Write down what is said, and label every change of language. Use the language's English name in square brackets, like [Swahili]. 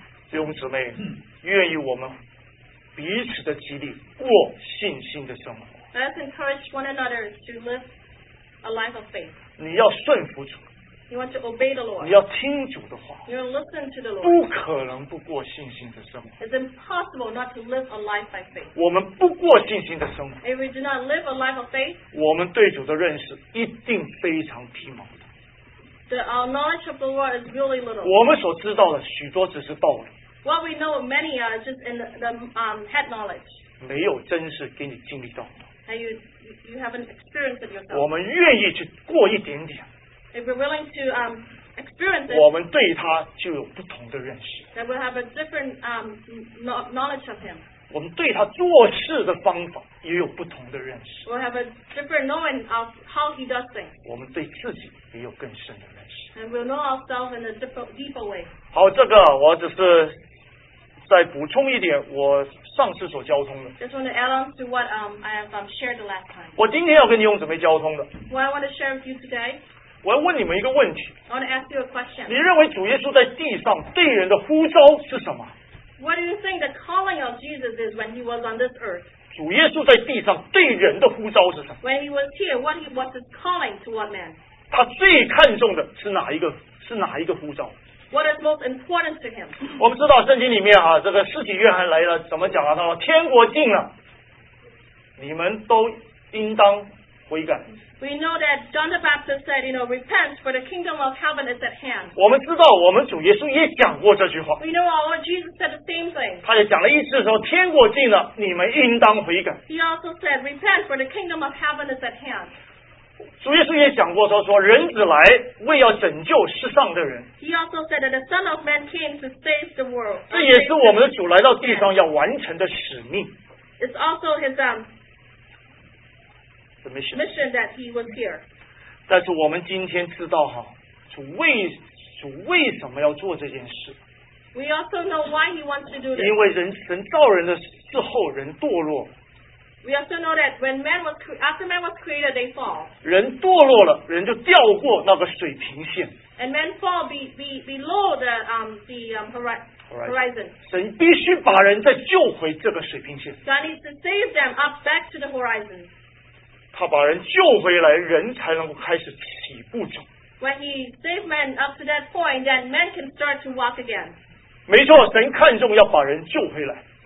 [Chinese] 弟兄姊妹，愿意我们彼此的激励，过信心的生活。 [English] Let's encourage one another to live a life of faith. [Chinese] 你要顺服主。 [English] You want to obey the Lord. [Chinese] 你要听主的话。 [English] You listen to the Lord. [Chinese] 不可能不过信心的生活。 [English] It's impossible not to live a life by faith. [Chinese] 我们不过信心的生活。 [English] If we do not live a life of faith, [Chinese] 我们对主的认识一定非常皮毛的。 [English] Our knowledge of the Lord is really little. [Chinese] 我们所知道的许多只是道理。 [English] What we know many are just in the head knowledge. [Chinese] 没有真实给你经历到的。 [English] And you haven't experienced it yourself. [Chinese] 我们愿意去过一点点。 [English] If we're willing to experience it, [Chinese] 我们对他就有不同的认识。 [English] That we'll have a different knowledge of him. [Chinese] 我们对他做事的方法也有不同的认识。 [English] We'll have a different knowing of how he does things. [Chinese] 我们对自己也有更深的认识。 [English] And we'll know ourselves in a deeper way. [Chinese] 好，这个我只是再补充一点，我上次所交通的。 [English] Just want to add on to what I have shared the last time. [Chinese] 我今天要跟你用准备交通的。 [English] What I want to share with you today. [Chinese] 我要问你们一个问题。 [English] I want to ask you a question. [Chinese] 你认为主耶稣在地上对人的呼召是什么？ [English] What do you think the calling of Jesus is when he was on this earth? [Chinese] 主耶稣在地上对人的呼召是什么？ [English] When he was here, what was his calling to what man? [Chinese] 他最看重的是哪一个呼召？ [English] What is most important to him? [Chinese] 我们知道圣经里面啊，这个使徒约翰来了，怎么讲啊？他说天国近了，你们都应当悔改。 [English] We know that John the Baptist said, you know, repent for the kingdom of heaven is at hand. [Chinese] 我们知道我们主耶稣也讲过这句话。 [English] We know our Lord Jesus said the same thing. [Chinese] 他也讲了一次说天国近了，你们应当悔改。 [English] He also said, repent for the kingdom of heaven is at hand. [Chinese] 主耶稣也讲过说人子来为要拯救世上的人。 [English] He also said that the Son of Man came to save the world. [Chinese] 这也是我们的主来到地上要完成的使命。 [English] It's also his mission that he was here. [Chinese] 但是我们今天知道哈，主为什么要做这件事。 [English] We also know why he wants to do this. [Chinese] 因为神造人的时候人堕落。 [English] We also know that when man was after man was created, they fall. [Chinese] 人堕落了，人就掉过那个水平线。 [English] And men fall below the horizon. [Chinese] 神必须把人再救回这个水平线。 [English] God needs to save them up back to the horizon. [Chinese] 他把人救回来，人才能够开始起步走。 [English] When he saved men up to that point, then men can start to walk again. [Chinese] 没错，神看重要把人救回来。